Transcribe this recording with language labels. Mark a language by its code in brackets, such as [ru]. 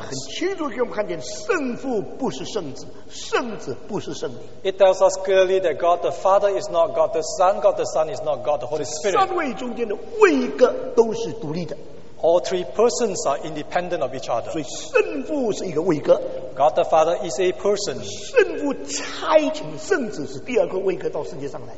[zh] 很清楚给我们看见, 圣父不是圣子, 圣子不是圣灵。 [en] It tells us clearly that God the Father is not God the Son, God the Son is not God the Holy Spirit. [zh] 三位中间的位格都是独立的。 [en] All three persons are independent of each other. [zh] 所以圣父是一个位格, [en] God the Father is a person. [zh] 圣父差遣圣子是第二个位格到世界上来。